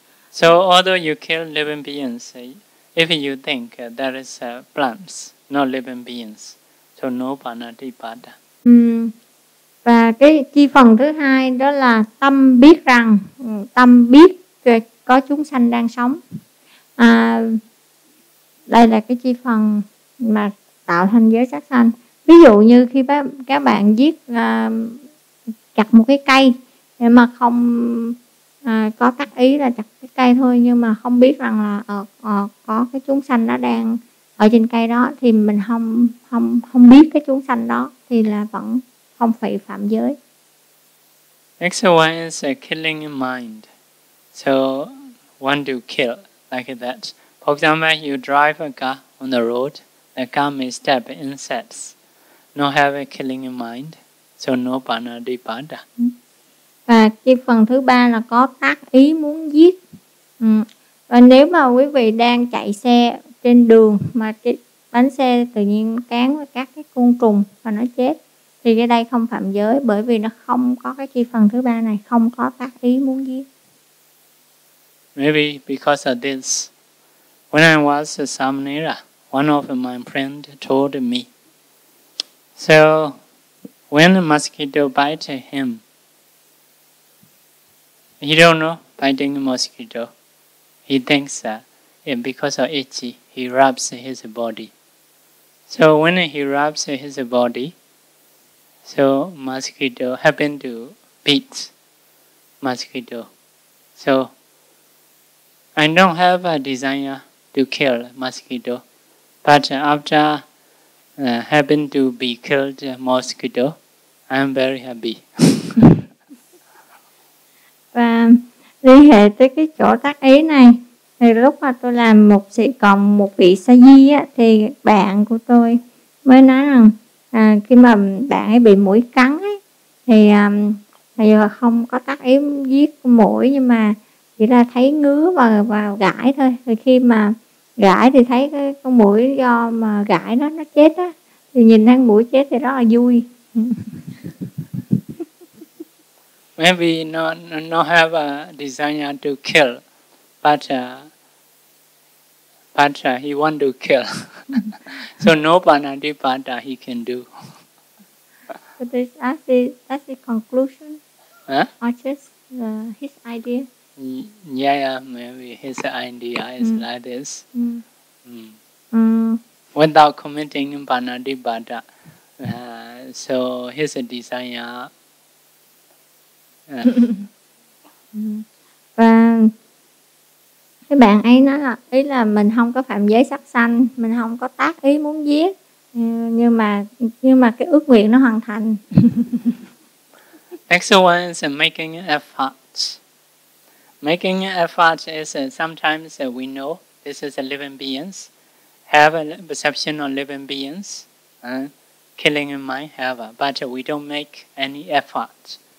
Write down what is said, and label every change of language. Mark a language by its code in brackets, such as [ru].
[en] So although you kill living beings, if you think that is plants, not living beings, so no panadipada. [vi] Và cái chi phần thứ hai đó là tâm biết rằng, tâm biết có chúng sanh đang sống. Đây là cái chi phần mà tạo thành giới sát sanh. Ví dụ như khi các bạn giết chặt một cái cây mà không có tác ý là chặt cái cây thôi, nhưng mà không biết rằng là có cái chúng sanh nó đang ở trên cây đó, thì mình không biết cái chúng sanh đó thì là vẫn không phải phạm giới. [en] Next one is killing your mind. So one to kill like that. For example, you drive a car on the road, the car may step insects. No have a killing your mind, so no panadipada. [vi] Và cái phần thứ ba là có tác ý muốn giết. Và nếu mà quý vị đang chạy xe trên đường mà cái bánh xe tự nhiên cán với các cái côn trùng và nó chết, thì cái đây không phạm giới, bởi vì nó không có cái chi phần thứ ba này, không có tác ý muốn giết. [en] Maybe because of this, when I was a Samanera, one of my friends told me, so when a mosquito bites him, he don't know biting a mosquito. He thinks that because of itchy, he rubs his body. So when he rubs his body, so mosquito happened to beat mosquito. So I don't have a desire to kill mosquito, but after happened to be killed mosquito, I'm very happy. [vi] Và liên hệ tới cái chỗ tác ý này, thì lúc mà tôi làm một sự còn một vị sa di á, thì bạn của tôi mới nói rằng khi mà bạn ấy bị mũi cắn ấy, thì bây giờ không có tác ý giết mũi, nhưng mà chỉ là thấy ngứa và gãi thôi. Thì khi mà gãi thì thấy cái con mũi do mà gãi nó chết á, thì nhìn thấy mũi chết thì rất là vui. [en] Maybe not have a desire to kill, but he want to kill. So no panadipata he can do. So that's the conclusion. Huh? Or just his idea? Yeah, maybe his idea is like this. Mm. Without committing panadipata, so his desire. [vi] Và cái bạn ấy nói là ý là mình không có phạm giới sắc sanh, mình không có tác ý muốn giết, nhưng mà cái ước nguyện nó hoàn thành. [en] Next one is making effort. Making effort is sometimes we know this is a living beings, have a perception of living beings, killing in mind, however, but we don't make any effort.